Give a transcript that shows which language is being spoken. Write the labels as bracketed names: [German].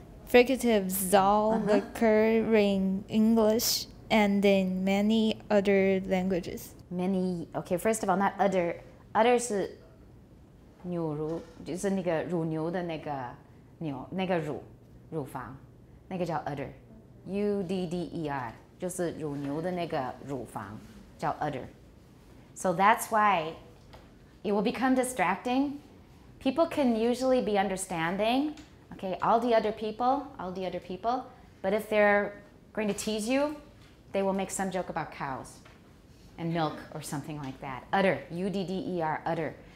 [English] Fricatives all occur in English and in many other languages. Okay, first of all, not udder. Udder is [Chinese] 牛乳, 就是那个乳牛的那个乳房, 那个叫 udder. U-D-D-E-R, 就是乳牛的那个乳房, 叫 udder. [English] So that's why it will become distracting. People can usually be understanding, okay, all the other people, but if they're going to tease you, they will make some joke about cows. And milk or something like that. Udder, U-D-D-E-R, udder.